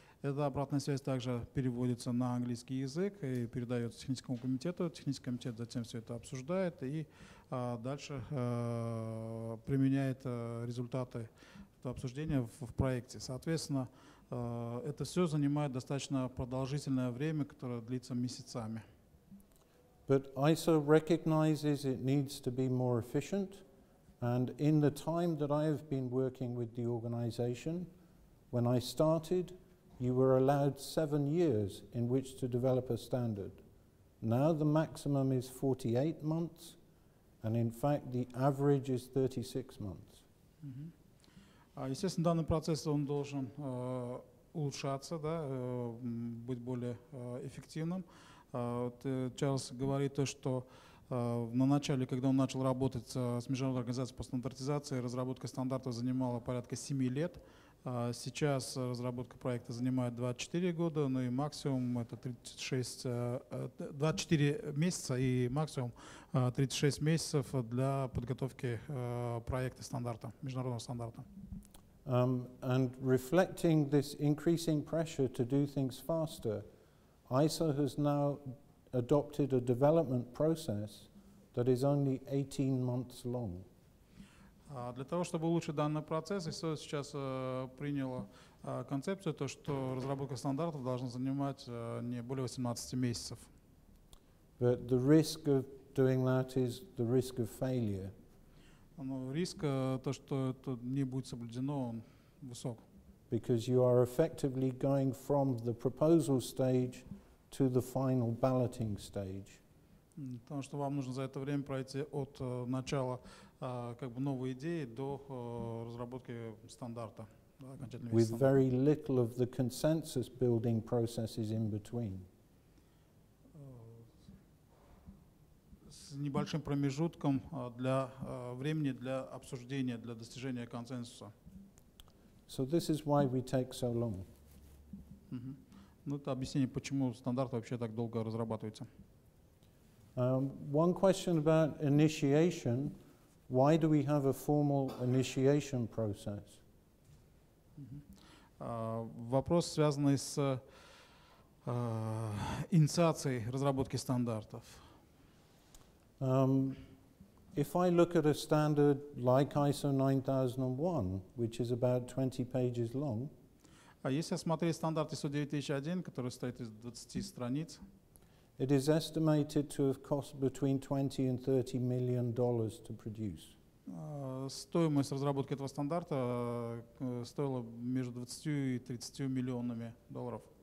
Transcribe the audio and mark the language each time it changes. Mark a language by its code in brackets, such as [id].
[ru] Эта обратная связь также переводится на английский язык и передается техническому комитету. Технический комитет затем все это обсуждает и дальше применяет результаты этого обсуждения в проекте. Соответственно, это все занимает достаточно продолжительное время, которое длится месяцами. [en] But ISO recognizes it needs to be more efficient, and in the time that I have been working with the organization, when I started, you were allowed 7 years in which to develop a standard. Now the maximum is 48 months, and in fact the average is 36 months. [ru] Естественно, данный процесс он должен улучшаться, да, быть более эффективным. Чарльз говорит то, что на начале, когда он начал работать с Международной организацией по стандартизации, разработка стандарта занимала порядка 7 лет. Сейчас разработка проекта занимает 24 года, ну и максимум это 24 месяца и максимум 36 месяцев для подготовки проекта стандарта, международного стандарта. [en] And reflecting this increasing pressure to do things faster, ISO has now adopted a development process that is only 18 months long. [ru] Для того, чтобы улучшить данный процесс, ISO сейчас приняла концепцию, то, что разработка стандартов должна занимать не более 18 месяцев. [en] But the risk of doing that is the risk of failure. [ru] Но риск то, что это не будет соблюдено, он высок. [en] Because you are effectively going from the proposal stage to the final balloting stage. [ru] Потому что вам нужно за это время пройти от начала как бы новой идеи до разработки стандарта. [en] With very little of the consensus building processes in between. [ru] С небольшим промежутком для времени для обсуждения, для достижения консенсуса. [en] So this is why we take so long. [ru] Ну это объяснение, почему стандарт вообще так долго разрабатывается. [en] One question about initiation. Why do we have a formal initiation process? [ru] Вопрос, связанный с инициацией разработки стандартов. [en] If I look at a standard like ISO 9001, which is about 20 pages long, [ru] если я смотрю стандарт ISO 9001, который стоит из 20 страниц, [en] it is estimated to have cost between $20 and $30 million to produce. [ru] Стоимость разработки этого стандарта стоила между 20 и 30 миллионами долларов.